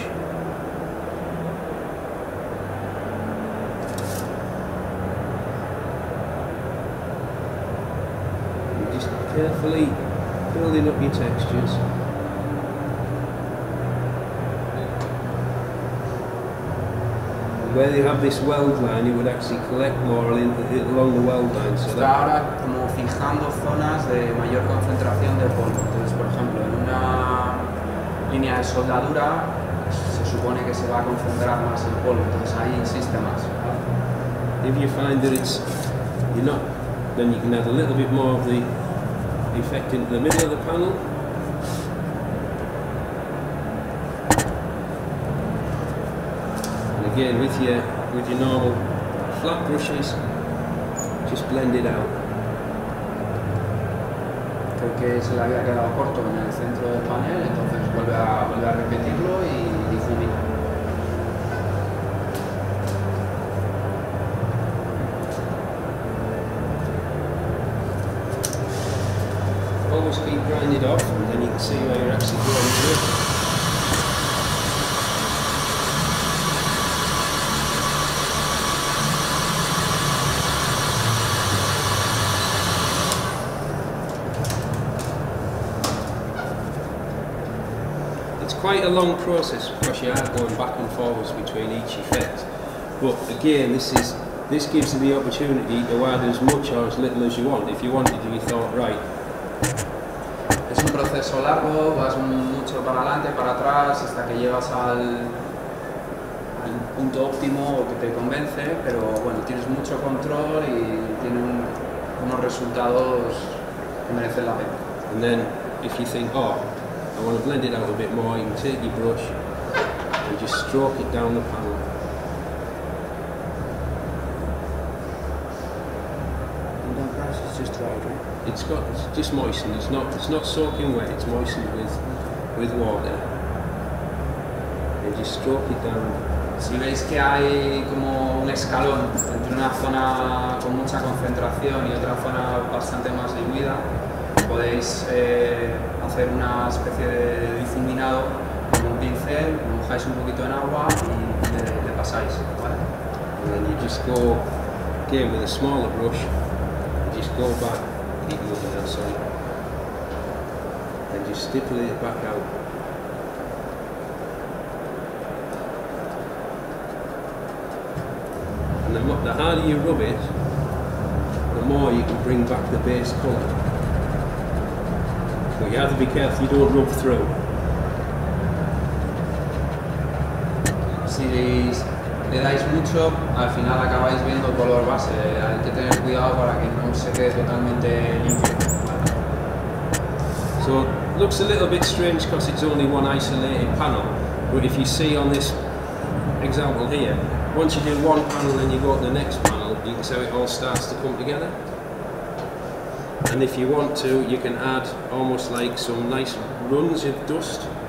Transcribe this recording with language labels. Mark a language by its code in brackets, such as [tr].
[en] And just carefully building up your textures. Where they have this weld line, you would actually collect more along the weld line. So [es] está ahora como fijando zonas de mayor concentración de polvo. Entonces, por ejemplo, en una línea de soldadura se supone que se va a concentrar más el polvo. Entonces ahí insiste más. [en] If you find that it's you're not, then you can add a little bit more of the effect into the middle of the panel. Again, with your normal flat brushes, just blend it out. [es] Porque se le había quedado corto en el centro del panel, entonces vuelve a repetirlo y difumina. [en] Always keep grinding off and then you can see where you're actually going to it. Quite a long process, of course you are going back and forwards between each effect, but again this gives you the opportunity to add as much or as little as you want. If you wanted to, you thought right. [es] Es un proceso largo, vas mucho para adelante, para atrás, hasta que llegas al punto óptimo o que te convence, pero bueno, tienes mucho control y tiene unos resultados que merecen la pena. [en] And then if you think, oh, I want to blend it out a bit more, you can take your brush and just stroke it down the panel. And that grass is just dry, right? It's just moistened, it's not soaking wet, it's moistened with water. And just stroke it down. [es] Si veis que hay como un escalón entre una zona con mucha concentración y otra zona bastante más diluida, podéis hacer una especie de difuminado con un pincel, mojáis un poquito en agua y le pasáis, ¿vale? [en] And then you just go again with a smaller brush, you just go back, keep looking at something, and just stipple it back out. And the harder you rub it, the more you can bring back the base colour. But you have to be careful you don't rub through. [es] Si le dais mucho, al final acabáis viendo el color base. Hay que tener cuidado para que no se quede totalmente limpio. [en] So it looks a little bit strange because it's only one isolated panel. But if you see on this example here, once you do one panel and you go to the next panel, you can see how it all starts to come together. And if you want to, you can add almost like some nice runs of dust.